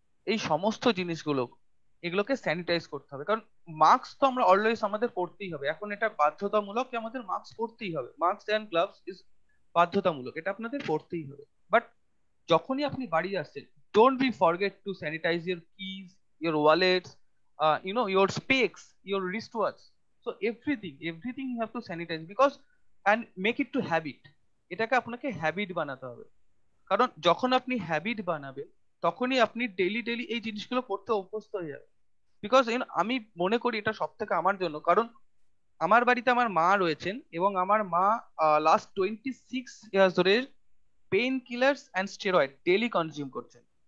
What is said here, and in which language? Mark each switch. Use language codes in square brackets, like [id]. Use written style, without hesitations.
[bn] এই সমস্ত জিনিসগুলো এগুলোকে স্যানিটাইজ করতে হবে কারণ মাস্ক তো আমরা অলওয়েজ আমাদের পরতেই হবে এখন এটা বাধ্যতামূলক কি আমাদের মাস্ক পরতেই হবে [en] mask and gloves is [bn] বাধ্যতামূলক এটা আপনাদের পরতেই হবে বাট যখনই আপনি বাড়ি আসছেন [en] Don't be forget to sanitize your keys your wallets you know, your specs, your wristwatch, so everything you have to sanitize, because and make it to habit. [bn] এটাকে আপনাকে habit বানাতে হবে, কারণ যখন আপনি habit বানাবেন তখনই আপনি ডেইলি ডেইলি এই জিনিসগুলো করতে অভ্যস্ত হয়ে যাবে। বিকজ আমি মনে করি এটা সব থেকে আমার জন্য, কারণ আমার বাড়িতে আমার মা রয়েছেন এবং আমার মা [en] last 26 years [bn] ধরে [en] pain killers and steroid daily consume [bn] করছেন।